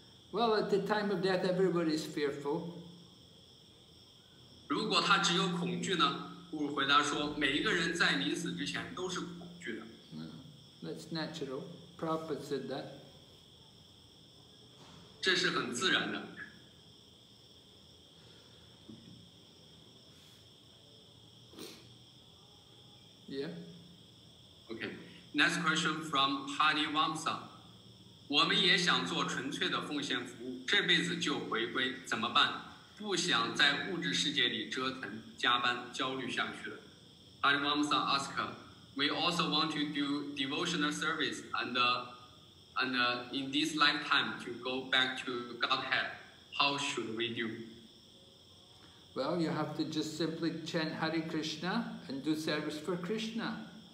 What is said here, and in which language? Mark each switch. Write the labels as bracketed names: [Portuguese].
[English] Well, at the time of death, everybody is fearful. [Chinese] 如果他只有恐惧呢？不如回答说，每一个人在临死之前都是恐惧的。 [English] That's natural. Prabhupada said that. [Chinese] 这是很自然的。 [English] Yeah. Okay. Next question from Hari Vamsa. [Chinese] 我们也想做纯粹的奉献服务，这辈子就回归，怎么办？不想在物质世界里折腾、加班、焦虑下去了。 [English] Hari Vamsa asked, "We also want to do devotional service and in this lifetime to go back to Godhead. How should we do?" Well, you have to just simply chant Hare Krishna and do service for Krishna.